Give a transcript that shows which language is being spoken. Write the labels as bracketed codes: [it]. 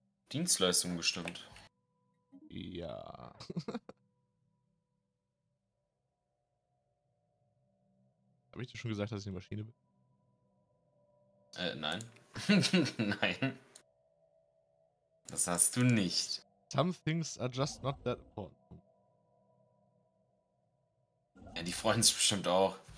[de] Dienstleistung bestimmt. Ja. Habe ich dir schon gesagt, dass ich eine Maschine bin? Nein. Nein. Das hast du nicht. [en] Some things are just not that important. [de] Ja, die freuen sich bestimmt auch.